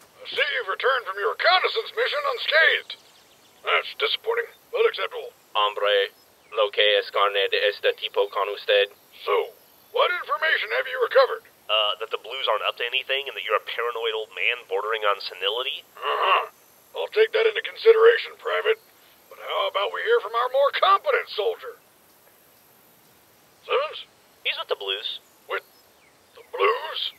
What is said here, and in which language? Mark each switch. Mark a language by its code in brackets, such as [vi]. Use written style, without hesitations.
[en] See, you've returned from your reconnaissance mission unscathed. That's disappointing, but acceptable. [es] Hombre, lo que es carne de este tipo con usted. [en] So, what information have you recovered? That the Blues aren't up to anything and that you're a paranoid old man bordering on senility? I'll take that into consideration, Private. But how about we hear from our more competent soldier? Simmons? He's with the Blues. With the Blues?